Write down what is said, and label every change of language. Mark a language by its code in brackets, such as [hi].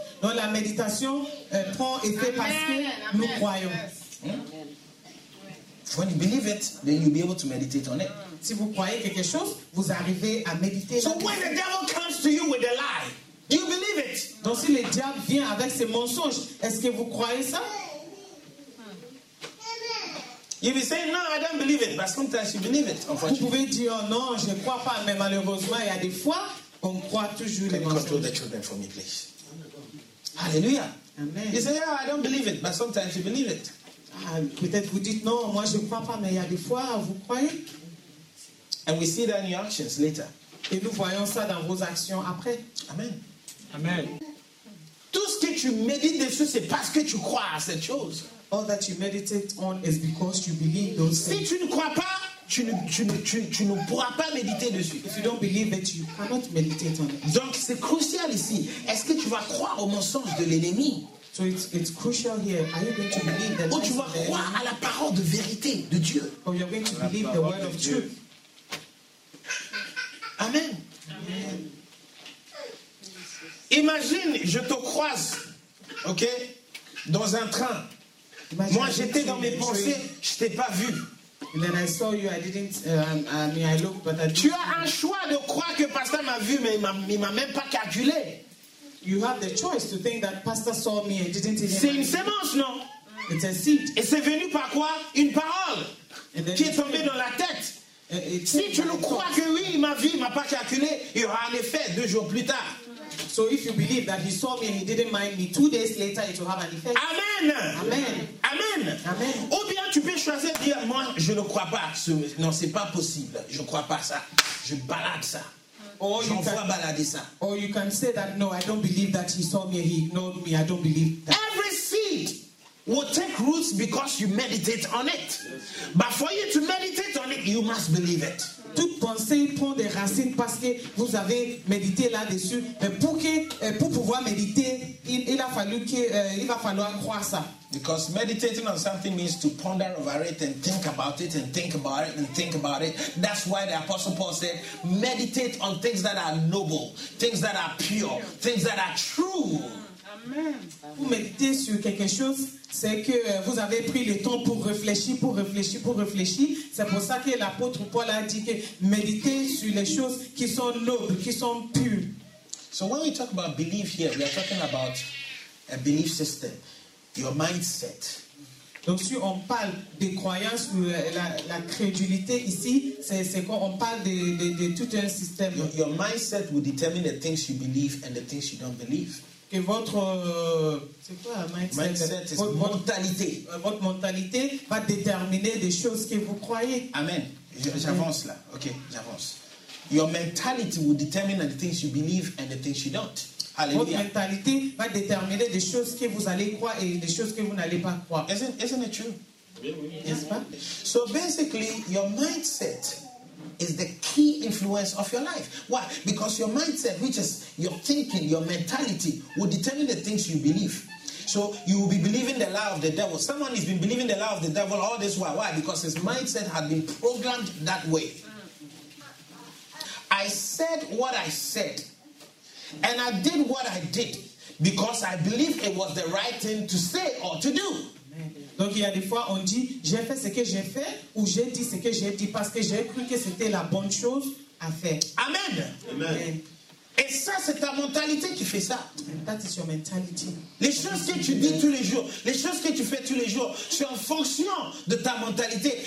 [fr] Donc la méditation prend effet parce que nous croyons. [en] When you believe it, then you'll be able to meditate on it. [fr] Si vous croyez quelque chose, vous arrivez à méditer. [en] So when the devil comes to you with a lie. [fr] Maintenant, si le diable vient avec ses mensonges, est-ce que vous croyez ça? [en] You will say, no, I don't believe it, but sometimes you believe it. [fr] Vous pouvez dire, oh, non, je ne crois pas, mais malheureusement, il y a des fois, on croit toujours les mensonges. [en] Can you control the children for me, please? Alléluia. Amen. You say, yeah, I don't believe it, but sometimes you believe it. [fr] Peut-être vous dites, non, moi je ne crois pas, mais il y a des fois, vous croyez? [en] And we see that in your actions later. [fr] Et nous voyons ça dans vos actions après. Amen. Amen. Tout ce que tu médites dessus, c'est parce que tu crois à cette chose. [en] All that you meditate on is because you believe those things. [fr] Si tu ne crois pas, tu ne pourras pas méditer dessus. [en] If you don't believe it, you cannot meditate on it. [fr] Donc c'est crucial ici. Est-ce que tu vas croire au mensonge de l'ennemi? [en] So it's crucial here. Are you going to believe that? [fr] Ou tu vas croire à la parole de vérité de Dieu? [en] Or you're going to believe the word of truth? Amen. Amen. [fr] Imagine, je te croise, ok, dans un train. Imagine, moi, j'étais dans mes pensées, je t'ai pas vu. [en] Then I saw you, I didn't, I looked, but I. [fr] Tu as un choix de croire que pasteur m'a vu, mais il m'a même pas calculé. [en] You have the choice to think that pastor saw me and didn't even. [fr] C'est une semence, non? [en] It's a seed. [fr] Et c'est venu par quoi? Une parole qui est tombée dans la tête. Si tu le crois que oui, ma vie m'a pas calculé, il y aura un effet deux jours plus tard. [en] So if you believe that he saw me and he didn't mind me, 2 days later it will have an effect. Amen. Amen. Amen. Amen. [fr] Ou bien tu peux choisir de dire moi je ne crois pas. Non, c'est pas possible. Je ne crois pas ça. Je balade ça. [en] Or [fr] j'en vois balader ça. [en] Or you can say that no, I don't believe that he saw me and he ignored me. I don't believe that. Every seed will take roots because you meditate on it. Yes. But for you to meditate on it, you must believe it. [fr] Toute pensée prend des racines parce que vous avez médité là-dessus. Mais pour pouvoir méditer, il va falloir croire ça. [en] Because meditating on something means to ponder over it and think about it and think about it and think about it. That's why the Apostle Paul said, meditate on things that are noble, things that are pure, things that are true. Amen. [fr] Vous méditez sur quelque chose, c'est que vous avez pris le temps pour réfléchir, pour réfléchir, pour réfléchir. C'est pour ça que l'apôtre Paul a dit que méditez sur les choses qui sont nobles, qui sont pures. [en] So when we talk about belief here, we are talking about a belief system, your mindset. [fr] Donc si on parle des croyances ou la crédulité ici, c'est quand on parle de tout un système. [en] Your mindset will determine the things you believe and the things you don't believe. [fr] Et votre mentalité mentalité va déterminer des choses que vous croyez. Amen. J'avance là. Ok, j'avance. [en] Your mentality will determine the things you believe and the things you don't. Hallelujah. [fr] Votre mentalité va déterminer des choses que vous allez croire et des choses que vous n'allez pas croire. [en] Isn't it true? [fr] N'est-ce pas? [en] So basically, your mindset is the key influence of your life. Why? Because your mindset, which is your thinking, your mentality, will determine the things you believe. So you will be believing the lie of the devil. Someone has been believing the lie of the devil all this while. Why? Because his mindset had been programmed that way. I said what I said, and I did what I did because I believed it was the right thing to say or to do. [fr] Donc il y a des fois on dit j'ai fait ce que j'ai fait ou j'ai dit ce que j'ai dit parce que j'ai cru que c'était la bonne chose à faire. Amen. Amen. Et ça c'est ta mentalité qui fait ça. [en] And that is your mentality. [fr] Les choses que tu dis tous les jours, les choses que tu fais tous les jours, c'est en fonction de ta mentalité.